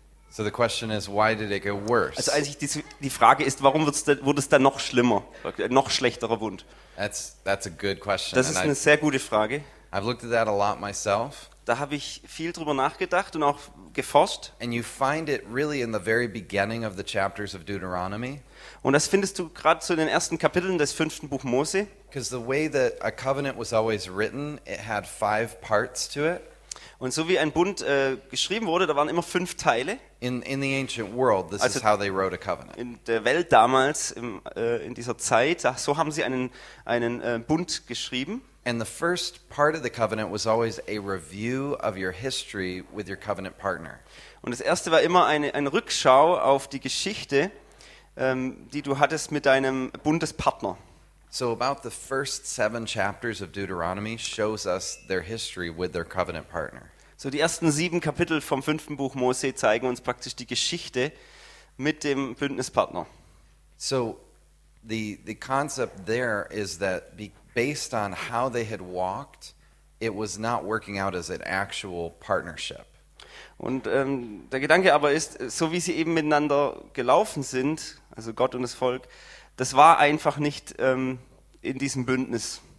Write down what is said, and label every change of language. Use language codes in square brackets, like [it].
[en] So the question is, why did it get worse? [de] Also eigentlich die Frage ist, warum wurde es dann noch schlimmer, noch schlechterer Bund? [en] That's a good question. [de] Das ist eine sehr gute Frage. [en] I've looked at that a lot myself. [de] Da habe ich viel drüber nachgedacht und auch geforscht. [en] And you find it really in the very beginning of the chapters of Deuteronomy. [de] Und das findest du gerade so in den ersten Kapiteln des fünften Buch Mose. [en] Because the way that a covenant was always written, it had five parts to it. [de] Und so wie ein Bund geschrieben wurde, da waren immer fünf Teile. [en] In the ancient world, this also is how they wrote a covenant. [de] In der Welt damals, in dieser Zeit, so haben sie einen Bund geschrieben. [en] And the first part of the covenant was always a review of your history with your covenant partner. [de] Und das erste war immer eine Rückschau auf die Geschichte, die du hattest mit deinem Bundespartner. [en] So about the first seven chapters of Deuteronomy shows us their history with their covenant partner. [de] So die ersten sieben Kapitel vom fünften Buch Mose zeigen uns praktisch die Geschichte mit dem Bündnispartner. [en] So the concept there is that based on how they had walked it was not working out as an actual partnership. [de] Und der Gedanke aber ist, so wie sie eben miteinander gelaufen sind, also Gott und das Volk, das war einfach nicht in diesem Bündnis.